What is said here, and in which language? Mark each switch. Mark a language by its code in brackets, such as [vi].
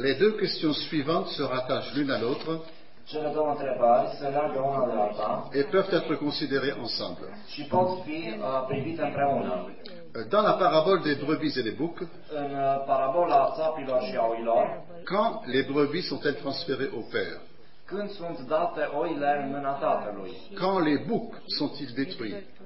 [fr] Les deux questions suivantes se rattachent l'une à l'autre. [ro] Cele două întrebări se leagă una de alta. [fr] Et peuvent être considérées ensemble. [ro] Și pot fi privite împreună. [fr] Dans la parabole des brebis et des boucs, [ro] în parabola țapilor și a oilor, [fr] quand les brebis sont-elles transférées au père? [ro] Când sunt date oile în mâna tatălui? [fr] Quand les boucs sont-ils détruits?